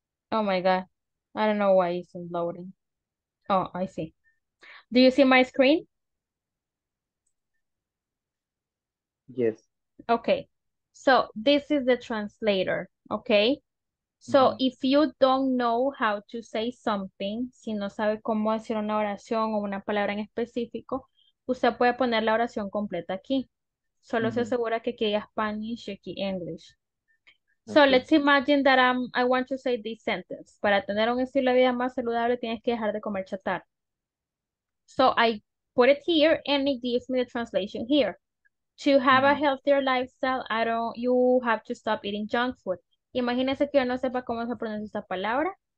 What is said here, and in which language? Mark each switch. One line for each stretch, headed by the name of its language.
English: Oh my God. I don't know why it's loading. Oh, I see. Do you see my screen? Yes. Okay. So this is the translator. Okay. So if you don't know how to say something,
Spanish: si no sabe cómo decir una oración o una palabra en específico, usted puede poner la oración completa aquí. Solo se asegura que quede Spanish y aquí English.
English: So okay. Let's imagine that I want to say this sentence.
Spanish: Para tener un estilo de vida más saludable, tienes que dejar de comer chatarra.
English: So I put it here and it gives me the translation here. To have a healthier lifestyle, you have to stop eating junk food.
Spanish: Imagínense que yo no sepa cómo se pronuncia esta palabra.